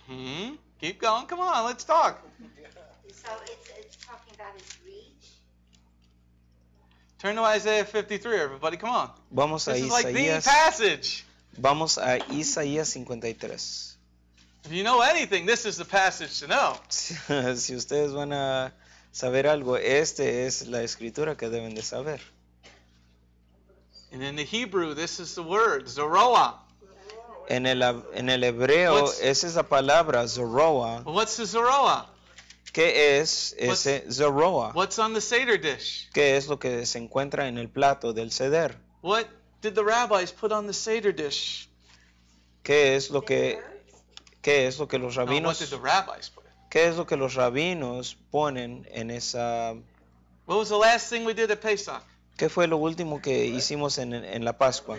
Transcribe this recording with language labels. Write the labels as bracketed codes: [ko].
[en] Mm-hmm. Keep going. Come on, let's talk. So it's talking about his reach. Turn to Isaiah 53, everybody. Come on. [es] Vamos [en] this [es] a [en] is [es] Isaías, [en] like the passage. [es] Vamos a Isaías 53. [en] If you know anything, this is the passage to know. [es] Si ustedes van a saber algo, este es la escritura que deben de saber. [en] And in the Hebrew, this is the word, Zeruah. [es] En el hebreo, esa es la palabra, Zeruah. [en] What's the Zeruah? [es] ¿Qué es ese Zeruah? [en] What's on the Seder dish? [es] ¿Qué es lo que se encuentra en el plato del Seder? [en] What did the rabbis put on the Seder dish? [es] ¿Qué es lo que los rabinos... [en] No, what did the rabbis put? [es] ¿Qué es lo que los rabinos ponen en esa... [en] What was the last thing we did at Pesach? [es] ¿Qué fue lo último que hicimos en la Pascua?